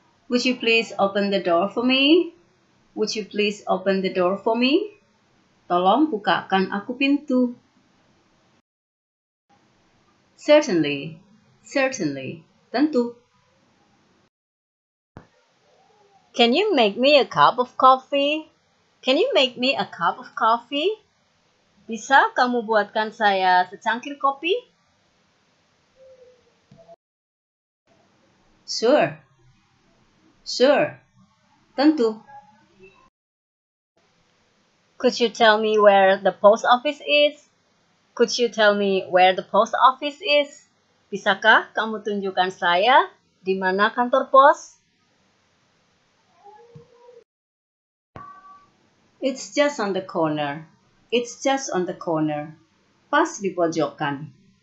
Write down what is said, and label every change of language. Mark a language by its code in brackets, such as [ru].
[en] Would you please open the door for me? Would you please open the door for me? [id] Tolong bukakan aku pintu. [en] Certainly, certainly, [id] tentu. [en] Can you make me a cup of coffee? Can you make me a cup of coffee? [id] Bisa kamu buatkan saya secangkir kopi? [en] Sure, sure, [id] tentu. [en] Could you tell me where the post office is? Could you tell me where the post office is? [id] Bisakah kamu tunjukkan saya di mana kantor pos? [en] It's just on the corner. It's just on the corner. [id] Pas di pojokan.